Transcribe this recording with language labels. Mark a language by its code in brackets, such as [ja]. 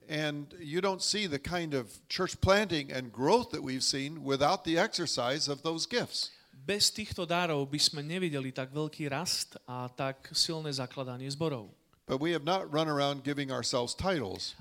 [en] And you don't see the kind of church planting and growth that we've seen without the exercise of those gifts. [sk] Bez týchto darov by sme nevideli tak veľký rast a tak silné zakladanie zborov. [en] But we have not run around giving ourselves titles.